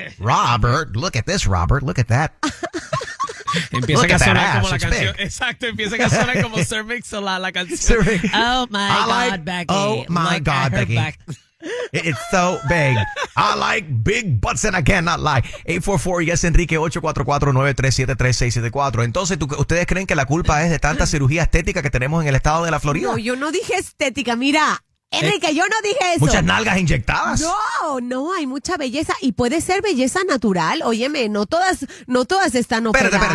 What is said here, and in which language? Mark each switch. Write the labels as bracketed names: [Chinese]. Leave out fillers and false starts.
[English] Robert, look at this, Robert, look at that. [Spanish] Empieza a sonar como la canción. Exacto, empieza a sonar como Sir Mix-a-Lot, la canción. [English] Oh my God, Becky. It's so big. I like big butts and I cannot lie. 844-YES-ENRIQUE, 844-937-3674. [Spanish] Entonces, ¿ustedes creen que la culpa es de tanta cirugía estética que tenemos en el estado de la Florida? No, yo no dije estética. Mira, Enrique, yo no dije eso. ¿Muchas nalgas inyectadas? No, hay mucha belleza. Y puede ser belleza natural. Óyeme, no todas están operadas.